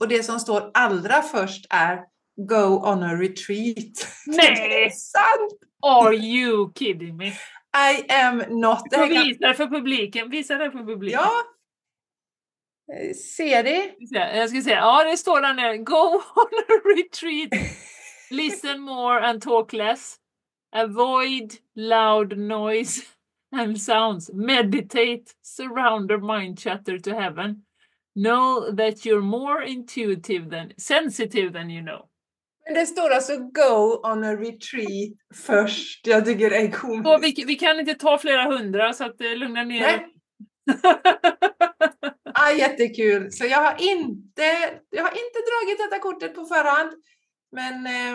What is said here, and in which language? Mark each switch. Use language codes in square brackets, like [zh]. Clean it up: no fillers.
[sv] Och det som står allra först är, [en] go on a retreat. [sv] Nej! Det är sant! [en] Are you kidding me? I am not. [sv] Du får visa det för publiken. Visa det för publiken. Ja! Ser det? Jag ska säga, ja det står där nu. [en] Go on a retreat. Listen more and talk less. Avoid loud noise and sounds. Meditate, surround your mind chatter to heaven. Know that you're more intuitive than, sensitive than you know. [sv] Men det står alltså [en] go on a retreat [sv] först. Jag tycker det är komiskt. Och vi kan inte ta flera hundra så att lugna ner. Nej. Ah, jättekul. Så jag har inte dragit detta kortet på förhand. Men